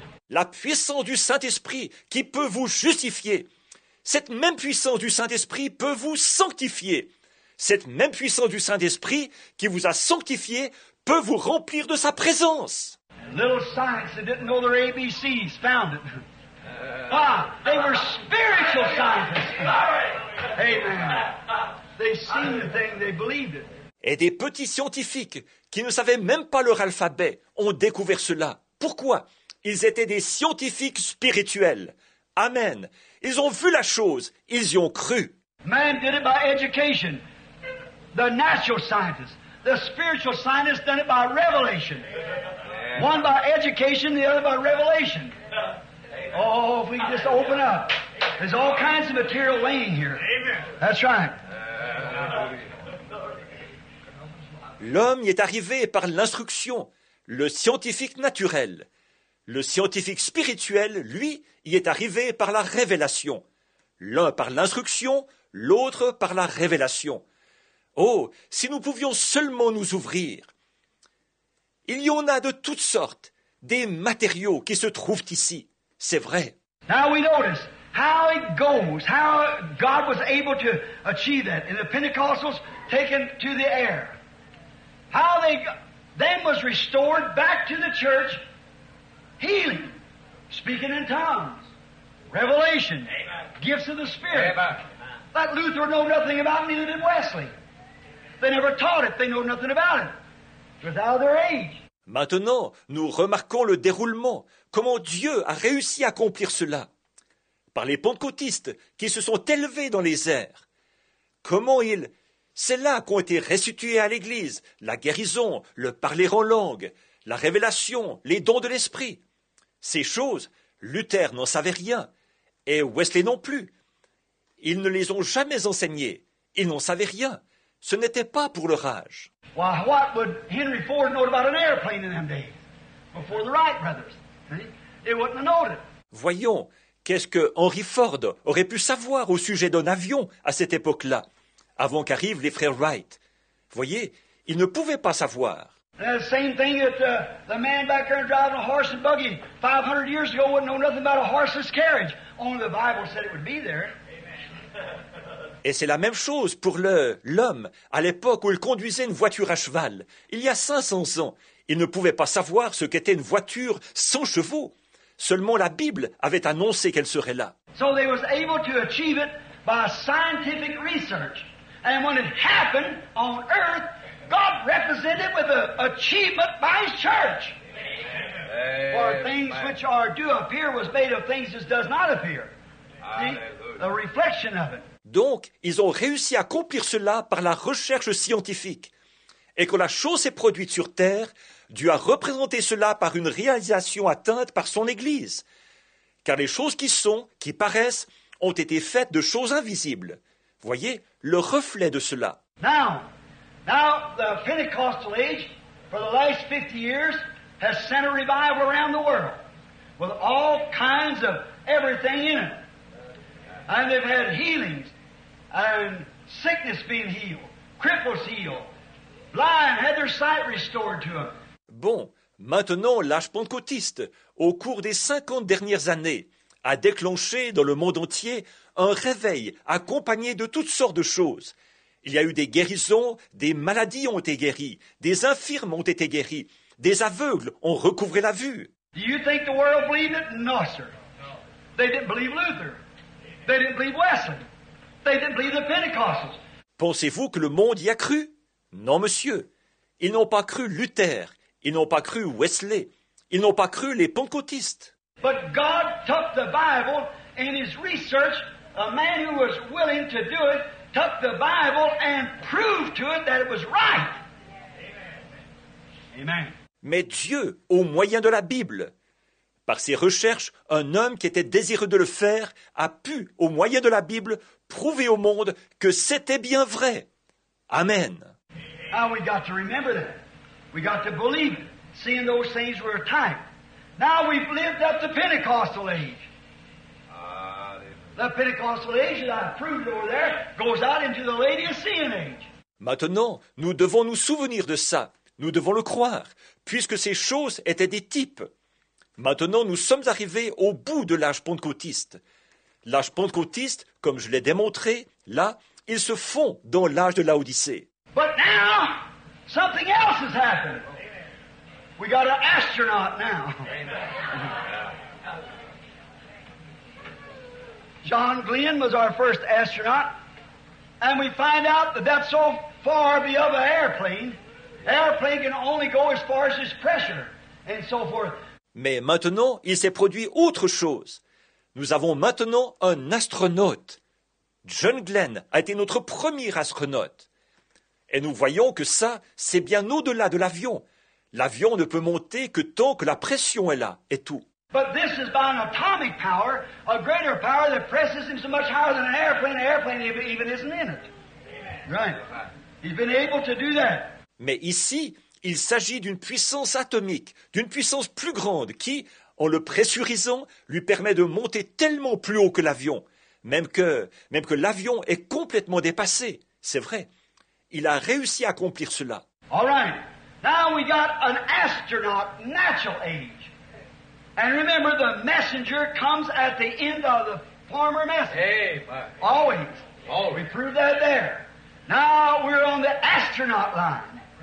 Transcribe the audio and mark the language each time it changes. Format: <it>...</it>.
<fr>La puissance du Saint-Esprit qui peut vous justifier, cette même puissance du Saint-Esprit peut vous sanctifier. Cette même puissance du Saint-Esprit qui vous a sanctifié peut vous remplir de sa présence.</fr> <en>A little science that didn't know their ABCs found it. Ah, they were spiritual scientists. Amen. They seen the thing, they believed it.</en> <fr>Et des petits scientifiques qui ne savaient même pas leur alphabet ont découvert cela. Pourquoi? Ils étaient des scientifiques spirituels. Amen. Ils ont vu la chose, ils y ont cru.</fr> <en>Man did it by education. The natural scientists. The spiritual scientists done it by revelation. One by education, the other by revelation. Oh, if we just open up. There's all kinds of material laying here. That's right.</en> <fr>L'homme y est arrivé par l'instruction, le scientifique naturel. Le scientifique spirituel, lui, y est arrivé par la révélation. L'un par l'instruction, l'autre par la révélation. Oh, si nous pouvions seulement nous ouvrir. Il y en a de toutes sortes, des matériaux qui se trouvent ici. C'est vrai.</fr> <en>Now we notice how it goes, how God was able to achieve that in the Pentecostals taken to the air. How they then was restored back to the church, healing, speaking in tongues, revelation, Amen. Gifts of the Spirit. Amen. That Luther know nothing about, neither did Wesley. They never taught it, they know nothing about it. It was out of their age.</en> <fr>Maintenant, nous remarquons le déroulement, comment Dieu a réussi à accomplir cela. Par les pentecôtistes qui se sont élevés dans les airs. Comment ils... C'est là qu'ont été restitués à l'Église la guérison, le parler en langue, la révélation, les dons de l'Esprit. Ces choses, Luther n'en savait rien, et Wesley non plus. Ils ne les ont jamais enseignées, ils n'en savaient rien. Ce n'était pas pour leur âge.</fr> <en>Why, what would Henry Ford know about an airplane in them days? Before the Wright brothers. They wouldn't have known it.</en> <fr>Voyons, qu'est-ce que Henry Ford aurait pu savoir au sujet d'un avion à cette époque-là, avant qu'arrivent les frères Wright? Voyez, il ne pouvait pas savoir.</fr> <en>The same thing that the man back there driving a horse and buggy 500 years ago wouldn't know nothing about a horse's carriage. Only the Bible said it would be there.</en> <fr>Et c'est la même chose pour l'homme à l'époque où il conduisait une voiture à cheval. Il y a 500 ans, il ne pouvait pas savoir ce qu'était une voiture sans chevaux. Seulement la Bible avait annoncé qu'elle serait là.</fr> <en>So they was able to achieve it by scientific research. And when it happened on earth, God represented it with an achievement by His church. For things which are do appear was made of things which does not appear. The reflection of it.</en> <fr>Donc, ils ont réussi à accomplir cela par la recherche scientifique. Et quand la chose s'est produite sur terre, Dieu a représenté cela par une réalisation atteinte par son Église. Car les choses qui sont, qui paraissent, ont été faites de choses invisibles. Voyez, le reflet de cela.</fr> <en>Now, the Pentecostal age, for the last 50 years, has sent a revival around the world, with all kinds of everything in it. And they've had healings, and sickness being healed, cripples healed, blind had their sight restored to them.</en> <fr>Bon, maintenant l'âge pentecôtiste, au cours des 50 dernières années, a déclenché dans le monde entier un réveil accompagné de toutes sortes de choses. Il y a eu des guérisons, des maladies ont été guéries, des infirmes ont été guéris, des aveugles ont recouvré la vue.</fr> <en>Do you think the world believed it? No, sir. They didn't believe Luther. They didn't believe Wesley. They didn't believe the Pentecostals.</en> <fr>Pensez-vous que le monde y a cru? Non, monsieur. Ils n'ont pas cru Luther. Ils n'ont pas cru Wesley. Ils n'ont pas cru les pentecôtistes.</fr> <en>But God took the Bible in His research. A man who was willing to do it took the Bible and proved to it that it was right. Amen.</en> <fr>Mais Dieu, au moyen de la Bible... Par ses recherches, un homme qui était désireux de le faire a pu, au moyen de la Bible, prouver au monde que c'était bien vrai. Amen.</fr> <en>Now we got to remember that. We got to believe it, seeing those things were typed. Now we've lived up to Pentecostal age. The Pentecostal age that I proved over there goes out into the Laodicean age.</en> <fr>Maintenant, nous devons nous souvenir de ça. Nous devons le croire, puisque ces choses étaient des types. Maintenant, nous sommes arrivés au bout de l'âge pentecôtiste. L'âge pentecôtiste, comme je l'ai démontré, là, il se fond dans l'âge de Laodicée.</fr> <en>But now, something else has happened. Amen. We got an astronaut now. Amen. John Glenn was our first astronaut. And we find out that that's so far beyond an airplane. Airplane can only go as far as its pressure, and so forth.</en> <fr>Mais maintenant, il s'est produit autre chose. Nous avons maintenant un astronaute. John Glenn a été notre premier astronaute. Et nous voyons que ça, c'est bien au-delà de l'avion. L'avion ne peut monter que tant que la pression est là, et tout.</fr> <en>But this is by an atomic power, a greater power that presses him so much higher than an airplane. An airplane even isn't in it. Right. He's been able to do that.</en> <fr>Mais ici, il s'agit d'une puissance atomique, d'une puissance plus grande qui, en le pressurisant, lui permet de monter tellement plus haut que l'avion, même que l'avion est complètement dépassé. C'est vrai. Il a réussi à accomplir cela.</fr> <en>All right. Now we got an astronaut natural age. And remember, the messenger comes at the end of the former message. Hey, bye. Always. Always. We proved that there. Now we're on the astronaut line.</en>